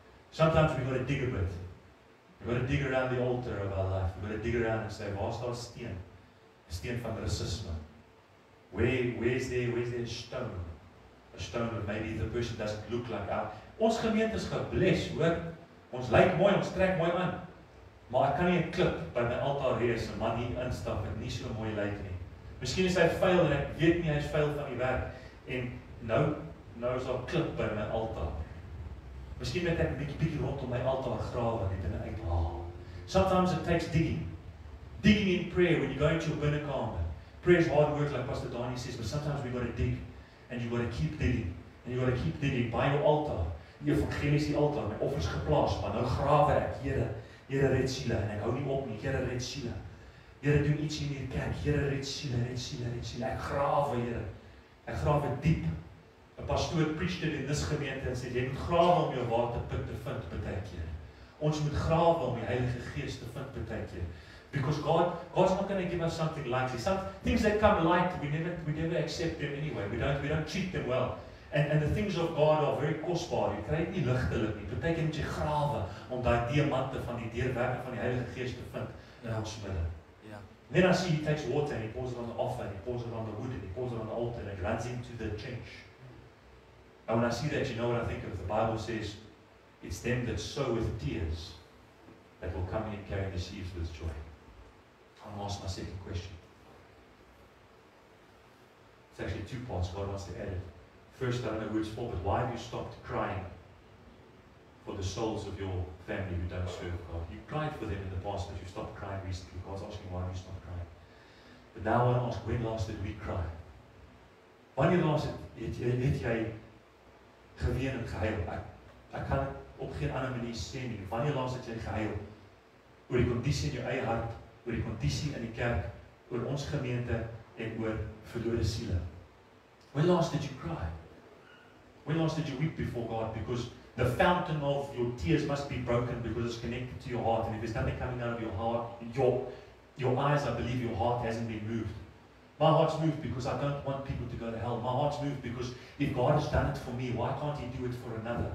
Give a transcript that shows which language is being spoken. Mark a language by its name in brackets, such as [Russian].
[English] Sometimes we've got to dig a bit. We've got to dig around the altar of our life. We've got to dig around and say, [Afrikaans] waar is daar steen? Steen van racisme. [English] Where is there a stone? A stone that maybe the person doesn't look like our. [Afrikaans] Ons gemeente is geblest, hoor. Ons lyk mooi, ons trek mooi aan. Maar ek kan nie 'n klip by my altaar hê as 'n man hier instap en nie so mooi lyk nie. Miskien is hy vuil en ek weet nie hy is vuil van die werk en nou is daar klip by my altaar. Miskien moet ek 'n bietjie rondom my altaar grawe en dit in uithaal. [English] Sometimes it takes digging. Digging in prayer when you go into your inner corner. Prayer is hard work like Pastor Donnie says, but sometimes we got to dig and you got to keep digging. And you got to keep digging by your altar. [Afrikaans] Die evangeliese altaar, my offers geplaas, maar nou grawe ek, Here. Here red siele en ek hou nie op nie. Here red siele. Here doen iets in hierdie kerk. Here red siele, red siele, red siele. Ek grawe, Here. Ek grawe diep. 'n Pastoor [English] preached in this [Afrikaans] gemeente en sê jy moet grawe om jou waterput te vind baie keer. Ons moet grawe om die Heilige Gees te vind baie keer. [English] Because God's not going to give us something lightly. Some things that come light, we never accept them anyway. We don't treat them well. And the things of God are very kostbaar. [Afrikaans] Jy kry dit nie ligtelik nie. Baie keer moet jy grawe om daai diamante van die deurwerking van die Heilige Gees te vind in ons binne. Ja. [English] Then I see he takes water and he pours it on the offer and he pours it on the wood and he pours it on the altar and it runs into the trench. And when I see that, you know what I think of? The Bible says, it's them that sow with tears that will come in and carry the sheaves with joy. I'm going to ask my second question. It's actually two parts God wants to add it. First, I don't know who it's for, but why have you stopped crying for the souls of your family who don't serve God? You cried for them in the past, but you stopped crying recently. God's asking, why have you stopped crying? But now I want to ask, when last did we cry? [Afrikaans] Wanneer last het jy geween en gehuil? Ek kan op geen ander manier sê nie. Wanneer last het jy gehuil oor die kondisie in jou eie hart, oor die kondisie in die kerk, oor ons gemeente en oor verlore siele? [English] When last did you cry? When last did you weep before God? Because the fountain of your tears must be broken because it's connected to your heart. And if there's nothing coming out of your heart, your eyes, I believe your heart hasn't been moved. My heart's moved because I don't want people to go to hell. My heart's moved because if God has done it for me, why can't he do it for another?